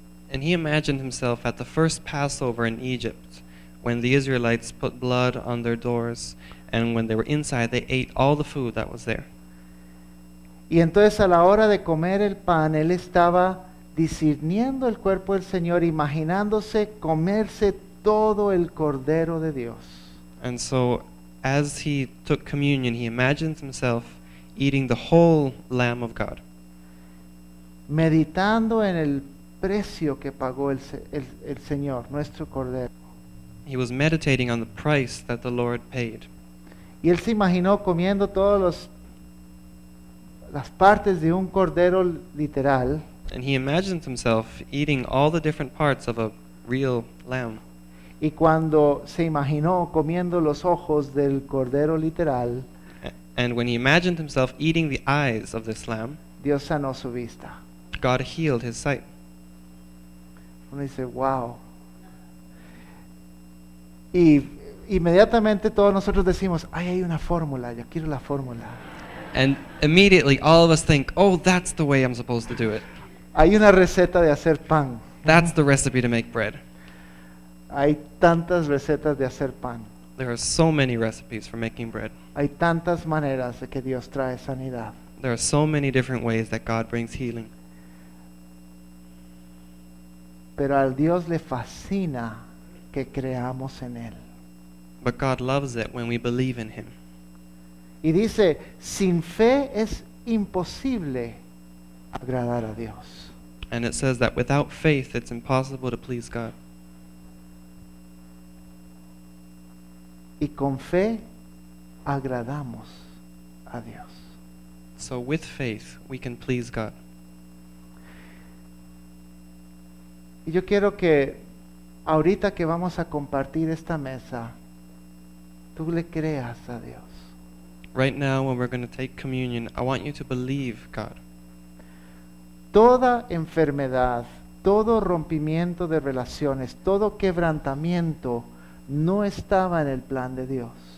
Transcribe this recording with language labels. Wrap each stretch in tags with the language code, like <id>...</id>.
<en>And he imagined himself at the first Passover in Egypt, when the Israelites put blood on their doors, and when they were inside, they ate all the food that was there.</en> <es>Y entonces a la hora de comer el pan, él estaba discerniendo el cuerpo del Señor, imaginándose comerse todo el cordero de Dios.</es> <en>And so, as he took communion, he imagined himself eating the whole Lamb of God.</en> <es>Meditando en el precio que pagó el Señor, nuestro cordero.</es> <en>He was meditating on the price that the Lord paid.</en> <es>Y él se imaginó comiendo todos las partes de un cordero literal.</es> <en>And he imagined himself eating all the different parts of a real lamb.</en> <es>Y cuando se imaginó comiendo los ojos del cordero literal,</es> <en>and when he imagined himself eating the eyes of this lamb,</en> <es>Dios sanó su vista.</es> <en>God healed his sight.</en> <es>Uno dice, wow. Y inmediatamente todos nosotros decimos, ay, hay una fórmula, yo quiero la fórmula.</es> <en>And immediately all of us think, oh, that's the way I'm supposed to do it.</en> <es>Hay una receta de hacer pan.</es> <en>That's the recipe to make bread.</en> <es>Hay tantas recetas de hacer pan.</es> <en>There are so many recipes for making bread.</en> <es>Hay tantas maneras de que Dios trae sanidad.</es> <en>There are so many different ways that God brings healing.</en> <es>Pero al Dios le fascina que creamos en él.</es> <en>But God loves it when we believe in him.</en> <es>Y dice, sin fe es imposible agradar a Dios.</es> <en>And it says that without faith it's impossible to please God.</en> <es>Y con fe agradamos a Dios.</es> <en>So with faith we can please God.</en> <es>Y yo quiero que ahorita que vamos a compartir esta mesa, tú le creas a Dios.</es> <en>Right now when we're going to take communion, I want you to believe God.</en> <es>Toda enfermedad, todo rompimiento de relaciones, todo quebrantamiento no estaba en el plan de Dios.</es>